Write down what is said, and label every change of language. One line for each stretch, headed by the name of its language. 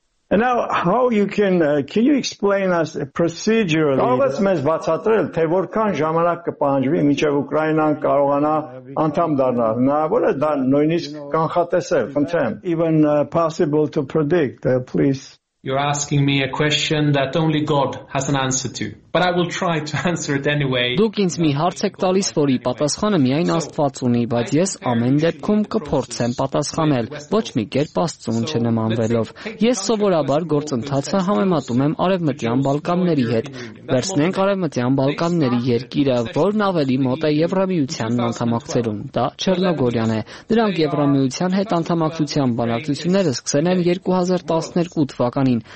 English: And now how you can you explain us procedurally?
Armenian: Ավելի մեծ բացատրել, թե որքան ժամանակ կպահանջվի, մինչև Ուկրաինան կարողանա անդամ դառնալ։ Հնարավոր է դա նույնիսկ կանխատեսել, խնդրեմ։
English: Even possible to predict, please. You're asking me a question that only God has an answer to, but I will try to answer it anyway.
Armenian: Դուք ինձ մի հարց եք տալիս, որի պատասխանը միայն Աստված ունի, բայց ես ամեն դեպքում կփորձեմ պատասխանել, ոչ մի կերպ Աստծուն չնմանվելով։ Ես սովորաբար գործընթացը համեմատում եմ Արևմտյան Բալկանների հետ։ Վերցնենք Արևմտյան Բալկանների երկիրը, որն ավելի մոտ է Եվրամիության անդամակցելուն, դա Չեռնոգորիան է։ Նրանք Եվրամիության հետ անդամակցության բանակցությունները սկսել են 2012 թվականին,